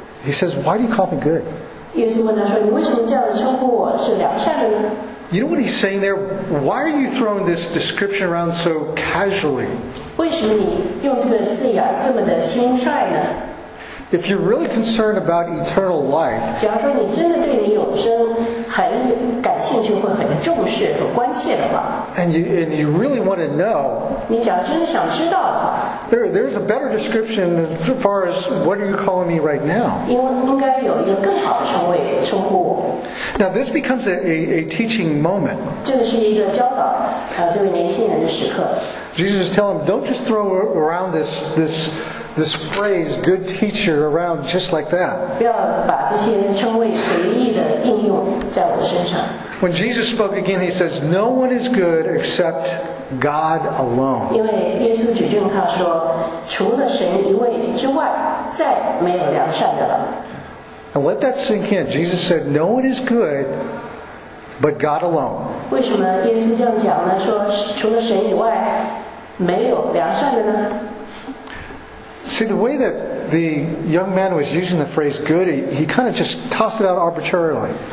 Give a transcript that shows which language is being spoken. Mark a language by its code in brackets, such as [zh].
[en] He says, why do you call me good? You know what he's saying there? Why are you throwing this description around so casually? [zh] 为什么你用这个字眼这么的轻率呢？ [en] If you're really concerned about eternal life, [zh] 假如说你真的对你永生很感兴趣，会很重视和关切的话 [en] and you really want to know, [zh] 你假如真的想知道的话 [en] there's a better description as far as what are you calling me right now? [zh] 应该有一个更好的称谓称呼我。 [en] Now this becomes a teaching moment. [zh] 这是一个教导这个年轻人的时刻。 [en] Jesus is telling him, don't just throw around this phrase, good teacher, around just like that. [zh] 不要把这些称谓随意的应用在我身上。 [en] When Jesus spoke again, he says, no one is good except God alone. [zh] 因为耶稣指证他说，除了神一位之外，再没有良善的了。 [en] Now let that sink in. Jesus said, no one is good but God alone. [zh] 为什么耶稣这样讲呢？说除了神以外，没有良善的呢？ [en] See, the way that the young man was using the phrase good, he kind of just tossed it out arbitrarily.